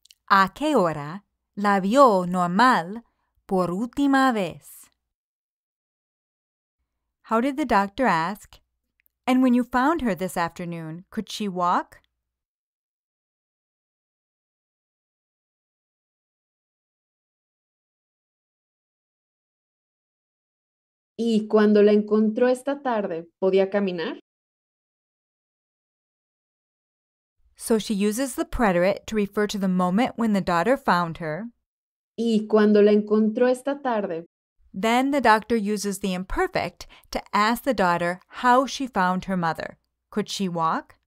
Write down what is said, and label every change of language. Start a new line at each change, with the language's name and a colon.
Spanish: ¿A qué hora la vio normal por última vez?
English: How did the doctor ask? And when you found her this afternoon, could she walk?
Spanish: ¿Y cuando la encontró esta tarde, podía caminar?
English: So she uses the preterite to refer to the moment when the daughter found her.
Spanish: ¿Y cuando la encontró esta tarde?
English: Then the doctor uses the imperfect to ask the daughter how she found her mother. Could she walk?